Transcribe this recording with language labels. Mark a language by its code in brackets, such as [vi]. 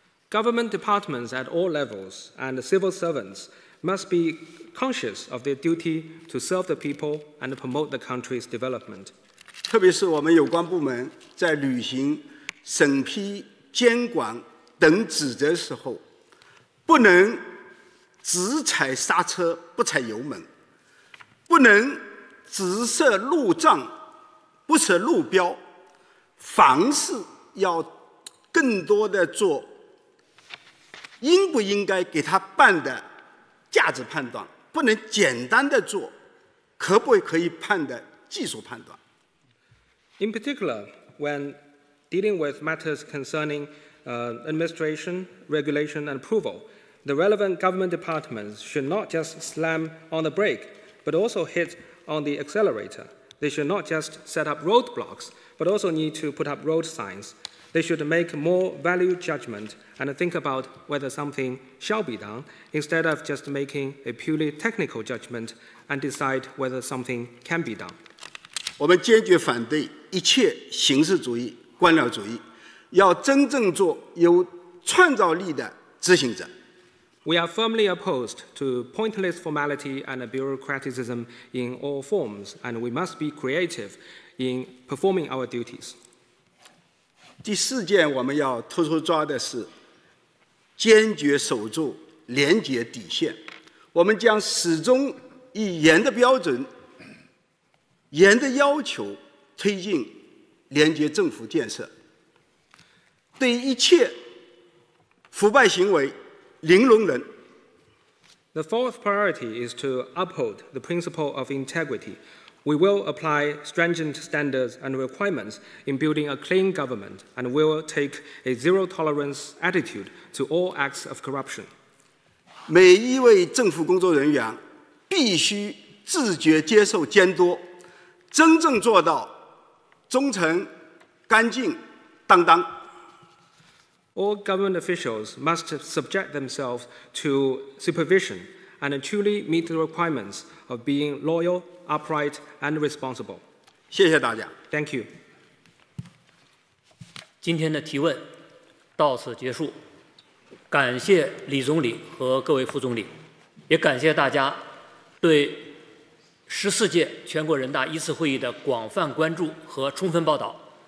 [en] Government departments at all levels and civil servants must be conscious of their duty to serve the people and promote the country's development. [zh] 特别是我们有关部门在履行审批、监管等职责时候，不能只踩刹车不踩油门。不能只设路障不设路标，凡事要更多的做应不应该给他办的价值判断，不能简单的做可不可以判的技术判断。 [en] In particular, when dealing with matters concerning administration, regulation and approval, the relevant government departments should not just slam on the brake,but also hit on the accelerator. They should not just set up roadblocks, but also need to put up road signs. They should make more value judgment and think about whether something shall be done, instead of just making a purely technical judgment and decide whether something can be done. [zh] 我们坚决反对一切形式主义、官僚主义，要真正做有创造力的执行者。 [en] We are firmly opposed to pointless formality and bureaucraticism in all forms, and we must be creative in performing our duties. [zh] 第四件我们要突出抓的是坚决守住廉洁底线。我们将始终以严的标准、严的要求推进廉洁政府建设。对一切腐败行为零容忍。 [en] The fourth priority is to uphold the principle of integrity. We will apply stringent standards and requirements in building a clean government and will take a zero tolerance attitude to all acts of corruption. [zh] 每一位政府工作人员必须自觉接受监督，真正做到忠诚、干净、当当。 [en] All government officials must subject themselves to supervision and truly meet the requirements of being loyal, upright, and responsible. [zh] 谢谢大家。 [en] Thank you. [zh] 今天的提问到此结束，感谢李总理和各位副总理，也感谢大家对十四届全国人大一次会议的广泛关注和充分报道。